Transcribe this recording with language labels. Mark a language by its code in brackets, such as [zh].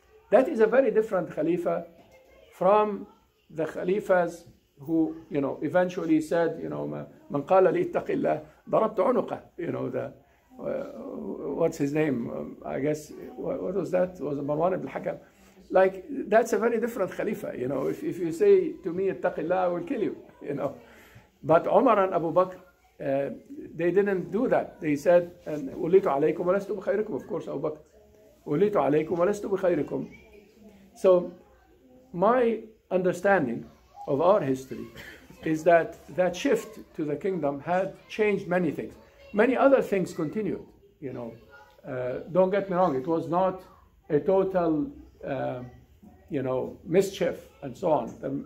[en] That is a very different Khalifa from the Khalifas who, you know, eventually said, you know, [ar] من قال لي اتق الله ضربت عنقه, [en] you know, the what's his name? I guess, what was that? Was it Marwan ibn al-Hakam? Like, that's a very different Khalifa, you know. If you say to me, [ar] اتق الله, [en] I will kill you, you know. But Umar and Abu Bakr, they didn't do that. [ar] They said, وليت عليكم ولست بخيركم. [en] Of course, [ar] Abu Bakr. وليت عليكم ولست بخيركم. [en] So, my understanding of our history is that that shift to the kingdom had changed many things. Many other things continued, you know. Don't get me wrong, it was not a total, you know, mischief and so on.